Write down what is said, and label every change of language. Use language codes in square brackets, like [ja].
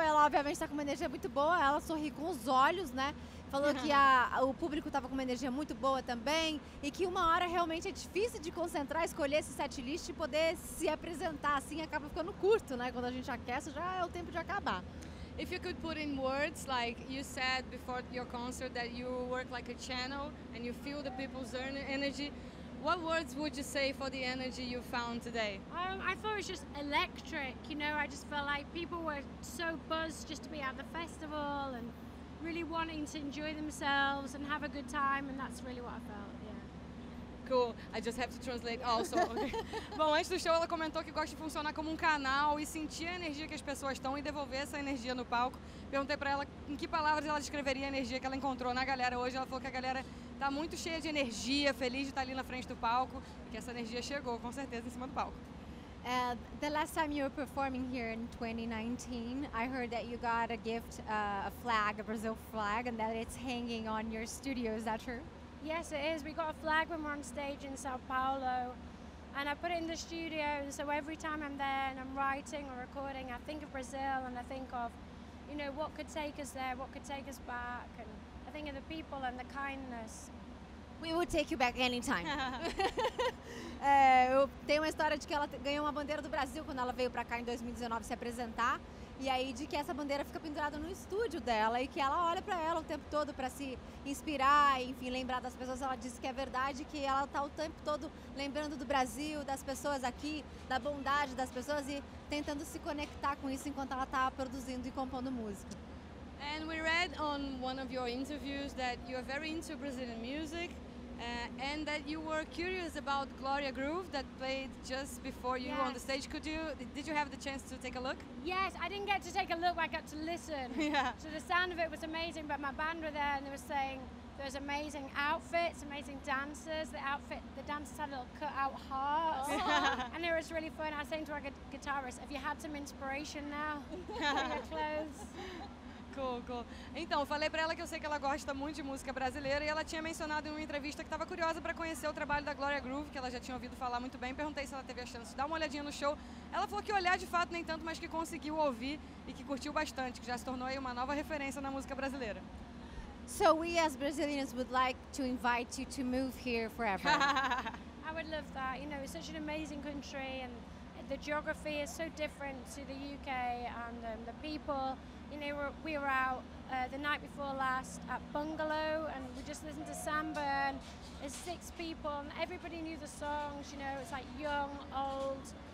[pt] Ela obviamente está com uma energia muito boa, ela sorri com os olhos, né? Falou que o público estava com uma energia muito boa também e que uma hora realmente é difícil de concentrar, escolher esse setlist e poder se apresentar assim, acaba ficando curto, né? Quando a gente aquece, já é o tempo de acabar. [en] If you could put in words, like you said before your concert, that you work like a channel and you feel the people's energy, what words would you say for the energy you found today? I thought it was just electric, you know, I just felt like people were so buzzed just to be at the festival and really wanting to enjoy themselves and have a good time, and that's really what I felt, yeah. Cool, I just have to translate also. [pt] Bom, antes do show ela comentou que gosta de funcionar como um canal e sentir a energia que as pessoas estão e devolver essa energia no palco. Perguntei pra ela em que palavras ela descreveria a energia que ela encontrou na galera hoje. Ela falou que a galera tá muito cheia de energia, feliz de estar ali na frente do palco, que essa energia chegou, com certeza, em cima do palco. [en] The last time you were performing here in 2019, I heard that you got a gift, a flag, a Brazil flag, and that it's hanging on your studio. Is that true? Yes, it is. We got a flag when we're on stage in Sao Paulo, and I put it in the studio, so every time I'm there and I'm writing or recording, I think of Brazil, and I think of, you know, what could take us there, what could take us back, and I think of the people and the kindness. We will take you back anytime. [pt] Eu tenho uma história de que ela ganhou uma bandeira do Brasil quando ela veio pra cá em 2019 se apresentar. E aí de que essa bandeira fica pendurada no estúdio dela e que ela olha pra ela o tempo todo pra se inspirar, enfim, lembrar das pessoas. Ela disse que é verdade, que ela tá o tempo todo lembrando do Brasil, das pessoas aqui, da bondade das pessoas e tentando se conectar com isso enquanto ela tá produzindo e compondo música. [en] And we read on one of your interviews that you are very into Brazilian music and that you were curious about Gloria Groove that played just before you on the stage. Could you, did you have the chance to take a look? Yes, I didn't get to take a look, but I got to listen. Yeah. So the sound of it was amazing, but my band were there and they were saying there's amazing outfits, amazing dancers. The outfit, the dancers had a little cut out heart. And it was really fun. I was saying to our guitarist, have you had some inspiration now for your clothes? Cool. [pt] Então, falei pra ela que eu sei que ela gosta muito de música brasileira e ela tinha mencionado em uma entrevista que estava curiosa para conhecer o trabalho da Gloria Groove, que ela já tinha ouvido falar muito bem. Perguntei se ela teve a chance de dar uma olhadinha no show. Ela falou que olhar de fato nem tanto, mas que conseguiu ouvir e que curtiu bastante, que já se tornou aí uma nova referência na música brasileira. [en] So we as Brazilians would like to invite you to move here forever. I would love that. You know, it's such an amazing country and the geography is so different to the UK and the people. You know, we were out the night before last at Bungalow and we just listened to samba and there's six people and everybody knew the songs, you know, it's like young, old.